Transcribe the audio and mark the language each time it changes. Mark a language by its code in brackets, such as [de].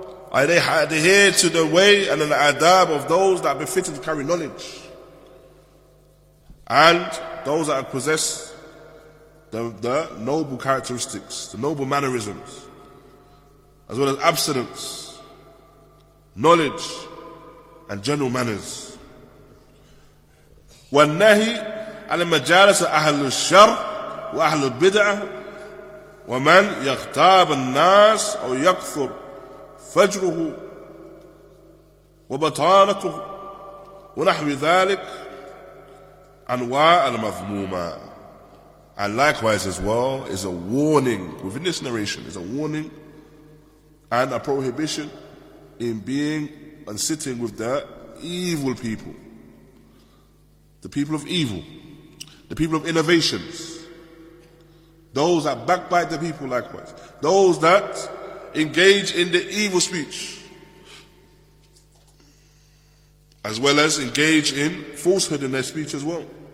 [en] Are they adhere to the way and the adab of those that are befitted to carry knowledge, and those that possess the noble characteristics, the noble mannerisms, as well as abstinence, knowledge, and general manners. [ar] والنهي عن مجالس أهل الشر وأهل البدع ومن يغتاب الناس أو يكثر فجره وبطانته ونحو ذلك أنواع المذمومة. [en] And likewise as well is a warning within this narration, is a warning and a prohibition in being and sitting with the evil people, the people of evil, the people of innovations, those that backbite the people likewise, those that engage in the evil speech, as well as engage in falsehood in their speech as well.